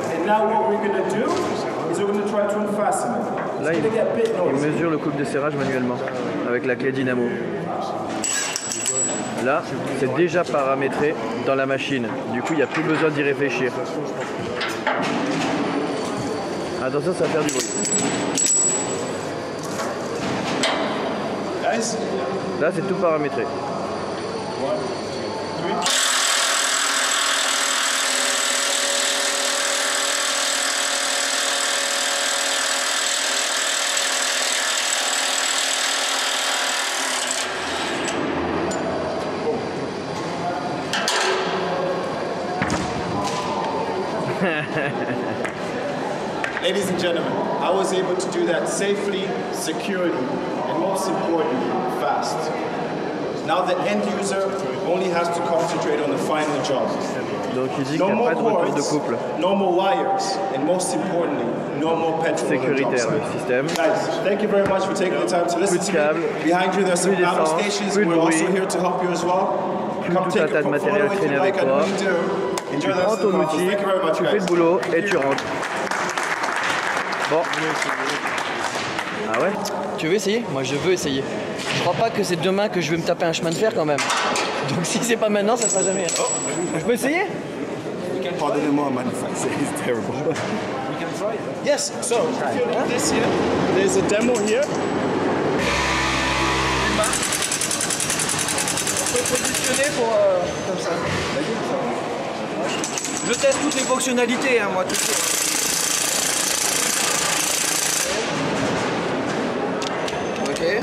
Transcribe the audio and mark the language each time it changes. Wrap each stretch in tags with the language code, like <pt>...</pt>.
<en>And now what we're gonna do is we're gonna try to unfasten it.</en> <fr>Là, il mesure le couple de serrage manuellement avec la clé dynamo. Là, c'est déjà paramétré dans la machine. Du coup, il n'y a plus besoin d'y réfléchir. Attention, ça va faire du bruit. Là, c'est tout paramétré.</fr> <en>Ladies and gentlemen, I was able to do that safely, securely, and most importantly, fast. Now the end user only has to concentrate on the final job.</en> <fr>Donc il dit qu'il n'y a pas de retour de couple.</fr> <en>No more wires, and most importantly, no more petrol.</en> <fr>Sécuritaire le système.</fr> <en>Guys, thank you very much for taking the time to listen to me. Behind you, there's some battle stations. We're also here to help you as well. Come take it from follow if you like, and we do.</en> <fr>Tu prends ton outil, tu fais le boulot et tu rentres. Bon. Ah ouais? Tu veux essayer? Moi je veux essayer. Je crois pas que c'est demain que je vais me taper un chemin de fer quand même. Donc si c'est pas maintenant, ça sera jamais. Je peux essayer? Pardonnez-moi, manufacturer, c'est terrible.</fr> <en>Yes, so, this here, there's a demo here.</en> <fr>On peut positionner pour. Comme ça. Je teste toutes les fonctionnalités, hein, moi, tout de suite. Ok.</fr>